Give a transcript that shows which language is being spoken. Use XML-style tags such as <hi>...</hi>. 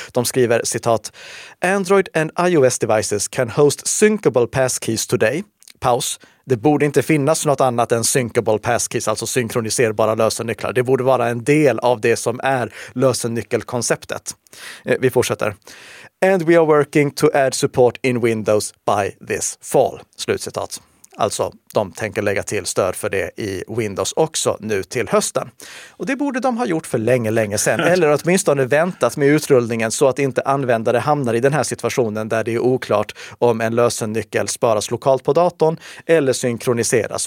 <sv>De skriver, citat,</sv> <en>"Android and iOS devices can host syncable passkeys today."</en> <sv>Paus. Det borde inte finnas något annat än syncable passkeys, alltså synkroniserbara lösennycklar. Det borde vara en del av det som är lösennyckelkonceptet. Vi fortsätter.</sv> <en>"And we are working to add support in Windows by this fall."</en> <sv>Slutcitat. Alltså, de tänker lägga till stöd för det i Windows också nu till hösten. Och det borde de ha gjort för länge, länge sedan. Eller åtminstone väntat med utrullningen så att inte användare hamnar i den här situationen där det är oklart om en lösennyckel sparas lokalt på datorn eller synkroniseras.</sv>